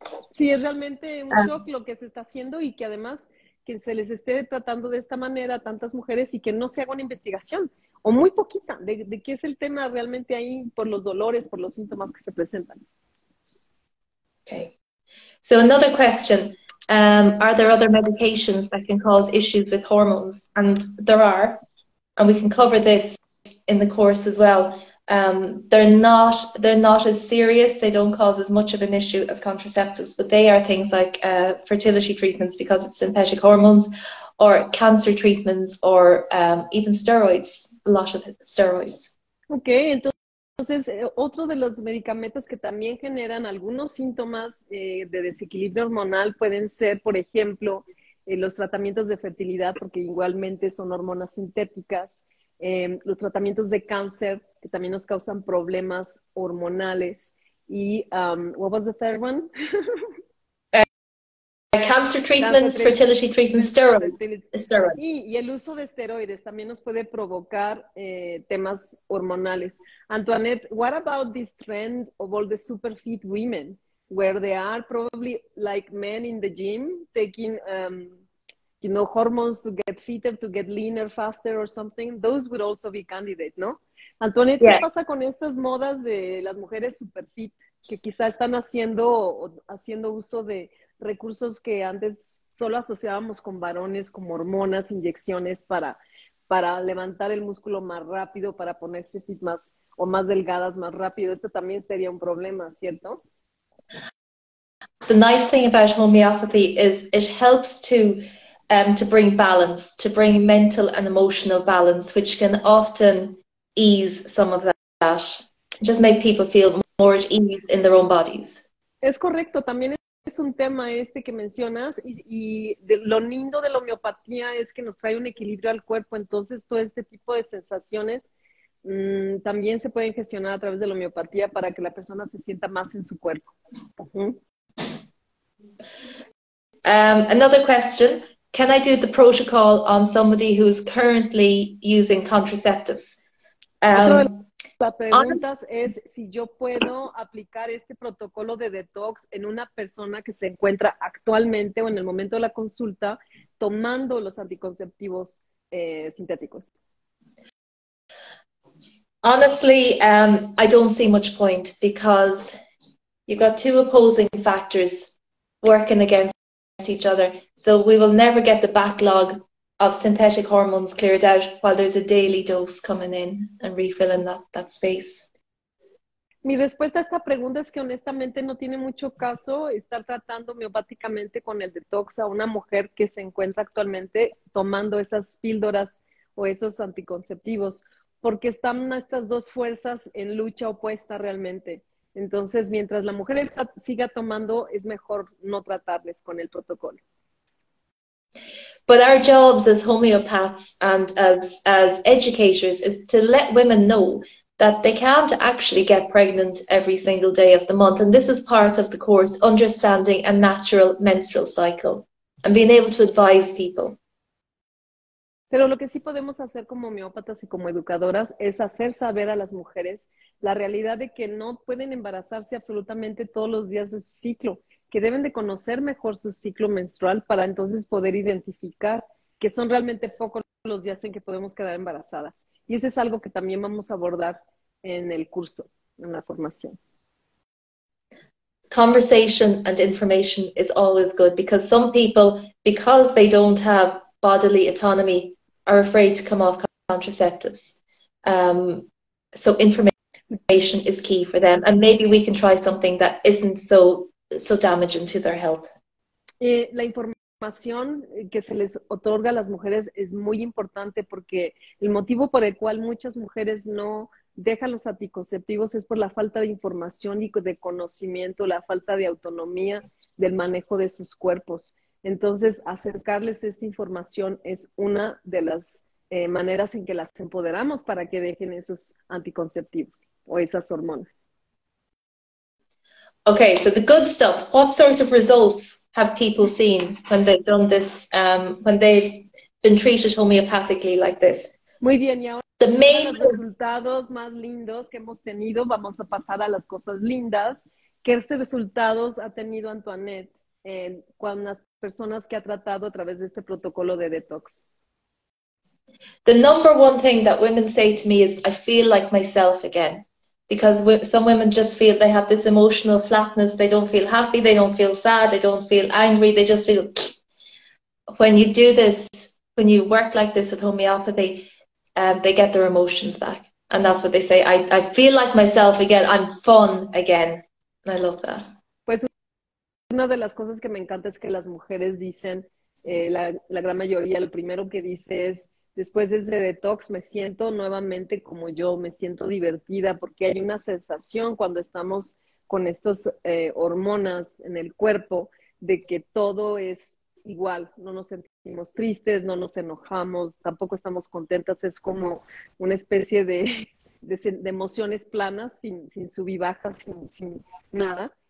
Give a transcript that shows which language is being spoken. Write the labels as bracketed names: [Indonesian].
[Spanish] Sí, es realmente un shock lo que se está haciendo y que además que se les esté tratando de esta manera a tantas mujeres y que no se haga una investigación, o muy poquita, de qué es el tema realmente ahí por los dolores, por los síntomas que se presentan. [English] Okay. So another question, are there other medications that can cause issues with hormones? And there are, and we can cover this in the course as well. They're not as serious, they don't cause as much of an issue as contraceptives, but they are things like fertility treatments because it's synthetic hormones, or cancer treatments, or even steroids, a lot of steroids. [Spanish] Okay, entonces otro de los medicamentos que también generan algunos síntomas de desequilibrio hormonal pueden ser, por ejemplo, los tratamientos de fertilidad, porque igualmente son hormonas sintéticas. Los tratamientos de cáncer que también nos causan problemas hormonales y [English] what was the third one? Cancer treatments, fertility treatments, steroids. [Spanish] Y el uso de esteroides también nos puede provocar temas hormonales. [English] Antoinette, what about this trend of all the super fit women where they are probably like men in the gym taking you know, hormones to get fitter, to get leaner, faster or something, those would also be candidates, ¿no? [Spanish] Antoinette, ¿qué pasa con estas modas de las mujeres super fit que quizá están haciendo uso de recursos que antes solo asociábamos con varones, como hormonas, inyecciones para levantar el músculo más rápido, para ponerse fit más o más delgadas más rápido? Esto también sería un problema, ¿cierto? [English] The nice thing about homeopathy is it helps to bring balance, to bring mental and emotional balance, which can often ease some of that, just make people feel more at ease in their own bodies. [Spanish] Es correcto, también es un tema este que mencionas y de, lo lindo de la homeopatía es que nos trae un equilibrio al cuerpo, entonces todo este tipo de sensaciones también se pueden gestionar a través de la homeopatía para que la persona se sienta más en su cuerpo. [English] Another question, can I do the protocol on somebody who's currently using contraceptives? [Spanish] La pregunta es si yo puedo aplicar este protocolo de detox en una persona que se encuentra actualmente o en el momento de la consulta tomando los anticonceptivos sintéticos. [English] Honestly, I don't see much point because you've got two opposing factors working against each other. So we will never get the backlog of synthetic hormones cleared out while there's a daily dose coming in and refilling that space. [Spanish] Mi respuesta a esta pregunta es que honestamente no tiene mucho caso estar tratando homeopáticamente con el detox a una mujer que se encuentra actualmente tomando esas píldoras o esos anticonceptivos, porque están estas dos fuerzas en lucha opuesta realmente. Entonces, mientras la mujer siga tomando, es mejor no tratarles con el protocolo. [English] But our jobs as homeopaths and as educators is to let women know that they can't actually get pregnant every single day of the month. And this is part of the course, understanding a natural menstrual cycle and being able to advise people. [Spanish] Pero lo que sí podemos hacer como homeópatas y como educadoras es hacer saber a las mujeres la realidad de que no pueden embarazarse absolutamente todos los días de su ciclo, que deben de conocer mejor su ciclo menstrual para entonces poder identificar que son realmente pocos los días en que podemos quedar embarazadas. Y eso es algo que también vamos a abordar en el curso, en la formación. [English] Conversation and information is always good because some people, because they don't have bodily autonomy, are afraid to come off contraceptives. So information is key for them. And maybe we can try something that isn't so damaging to their health. [Spanish] La información que se les otorga a las mujeres es muy importante porque el motivo por el cual muchas mujeres no dejan los anticonceptivos es por la falta de información y de conocimiento, la falta de autonomía del manejo de sus cuerpos. Entonces, acercarles esta información es una de las maneras en que las empoderamos para que dejen esos anticonceptivos o esas hormonas. [English] Okay, so the good stuff. What sort of results have people seen when they've done this, when they've been treated homeopathically like this? [Spanish] Muy bien, y ahora [English] the main [Spanish] resultados más lindos que hemos tenido, vamos a pasar a las cosas lindas. ¿Qué resultados ha tenido Antoinette cuando las personas que ha tratado a través de este protocolo de detox? [English] The number one thing that women say to me is, I feel like myself again. Because some women just feel they have this emotional flatness, they don't feel happy, they don't feel sad, they don't feel angry, they just feel... When you do this, when you work like this with homeopathy, they get their emotions back. And that's what they say, I feel like myself again, I'm fun again. And I love that. [Spanish] Pues una de las cosas que me encanta es que las mujeres dicen, la gran mayoría, lo primero que dice es, después de ese detox me siento nuevamente como yo, me siento divertida porque hay una sensación cuando estamos con estas hormonas en el cuerpo de que todo es igual, no nos sentimos tristes, no nos enojamos, tampoco estamos contentas, es como una especie de emociones planas sin subibajas, sin nada.